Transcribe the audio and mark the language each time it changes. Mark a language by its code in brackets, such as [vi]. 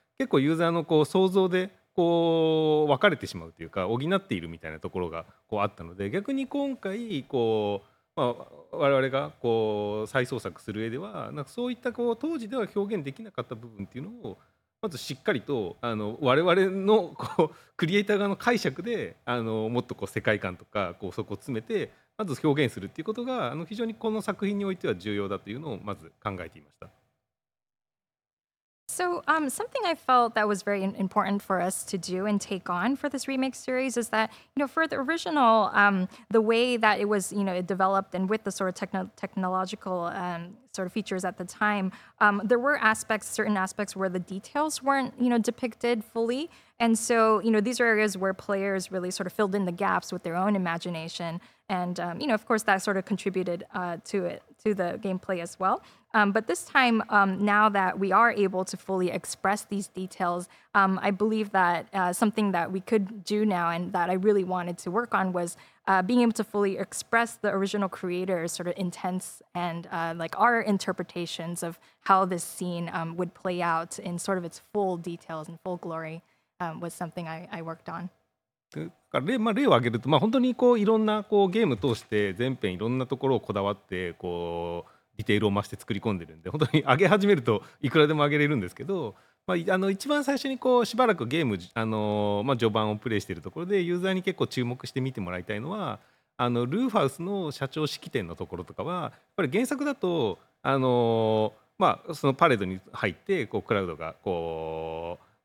[ja] 結構ユーザーのこう想像でこう分かれてしまうというか補っているみたいなところがこうあったので、逆に今回こう我々がこう再創作する上では、なんかそういったこう当時では表現できなかった部分っていうのをまずしっかりと我々のこうクリエイター側の解釈でもっとこう世界観とかこうそこを詰めてまず表現するっていうことが非常にこの作品においては重要だというのをまず考えていました。 [en] So something I felt that was very important for us to do and take on for this remake series is that, you know, for the original, the way that it was, you know, it developed and with the sort of technological sort of features at the time, there were certain aspects where the details weren't, you know, depicted fully. And so, you know, these are areas where players really sort of filled in the gaps with their own imagination. And, you know, of course, that sort of contributed to the gameplay as well. But this time, now that we are able to fully express these details, I believe that something that we could do now and that I really wanted to work on was being able to fully express the original creator's sort of intents and like our interpretations of how this scene would play out in sort of its full details and full glory was something I worked on. [ja] 例を挙げると、本当にこういろんなこうゲーム通して全編いろんなところをこだわってこうディテールを増して作り込んでるんで、本当に上げ始めるといくらでも上げれるんですけど、一番最初にこうしばらくゲーム序盤をプレイしているところでユーザーに結構注目して見てもらいたいのは、ルーファウスの社長式典のところとかはやっぱり原作だとそのパレードに入ってこうクラウドがこう